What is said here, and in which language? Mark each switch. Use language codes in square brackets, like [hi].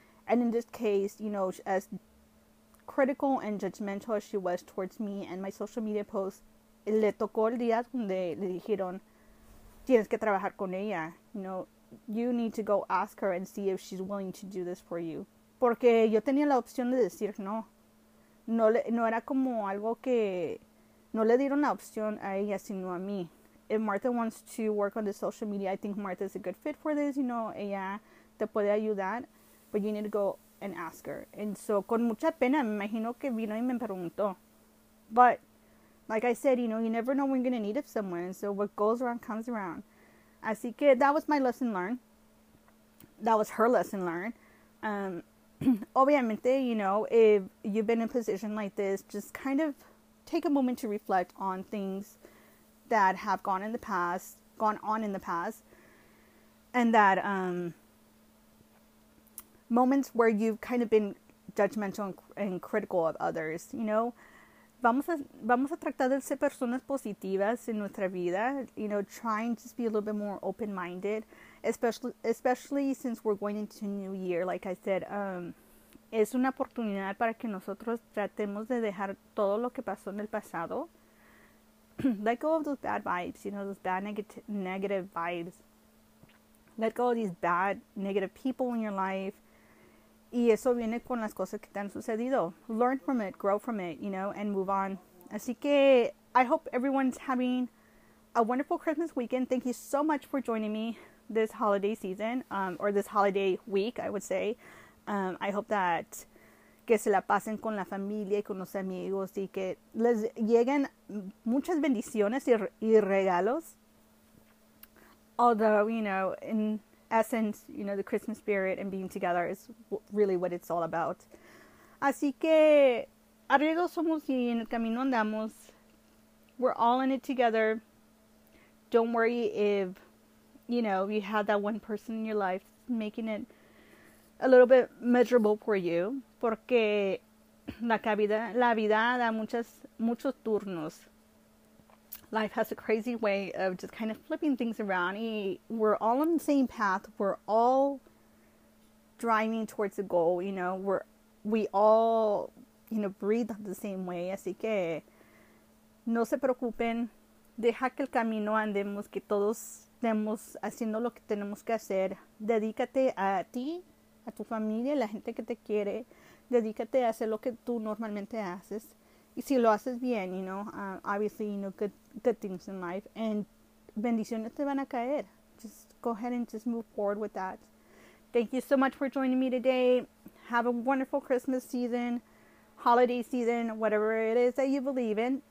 [en] And in this case, you know, as critical and judgmental as she was towards me and my social media posts, [es] le tocó el día donde le dijeron, tienes que trabajar con ella. [en] You know, you need to go ask her and see if she's willing to do this for you. [es] Porque yo tenía la opción de decir no. No era como algo que no le dieron la opción a ella, sino a mí. [en] If Martha wants to work on the social media, I think Martha is a good fit for this. You know, [es] ella te puede ayudar, [en] but you need to go and ask her. And so, [es] con mucha pena, me imagino que vino y me preguntó. [en] But, like I said, you know, you never know when you're going to need it somewhere. And so, what goes around comes around. [es] Así que, [en] that was my lesson learned. That was her lesson learned. [es] Obviamente, [en] you know, if you've been in a position like this, just kind of take a moment to reflect on things that have gone in the past, gone on in the past, and that moments where you've kind of been judgmental and critical of others, you know. [es] Vamos a tratar de ser personas positivas en nuestra vida, [en] you know, trying to be a little bit more open-minded, especially since we're going into a new year. Like I said, [es] es una oportunidad para que nosotros tratemos de dejar todo lo que pasó en el pasado. [en] Let go of those bad vibes, you know, those bad negative vibes. Let go of these bad negative people in your life. [es] Y eso viene con las cosas que te han sucedido. [en] Learn from it, grow from it, you know, and move on. [es] Así que [en] I hope everyone's having a wonderful Christmas weekend. Thank you so much for joining me this holiday season, or this holiday week, I would say. I hope that [es] que se la pasen con la familia y con los amigos y que les lleguen muchas bendiciones y regalos. [en] Although, you know, in essence, you know, the Christmas spirit and being together is really what it's all about. [es] Así que, arriesgo somos y en el camino andamos. [en] We're all in it together. Don't worry if, you know, you had that one person in your life making it a little bit miserable for you, [es] porque la vida da muchos turnos. [en] Life has a crazy way of just kind of flipping things around. And we're all on the same path. We're all driving towards a goal. You know, we all, you know, breathe the same way. [es] Así que no se preocupen. Deja que el camino andemos, que todos estemos haciendo lo que tenemos que hacer. Dedícate a ti, a tu familia, la gente que te quiere. Dedícate a hacer lo que tú normalmente haces. Y si lo haces bien, [en] you know, obviously, you know, good things in life. And [es] bendiciones te van a caer. [en] Just go ahead and just move forward with that. Thank you so much for joining me today. Have a wonderful Christmas season, holiday season, whatever it is that you believe in.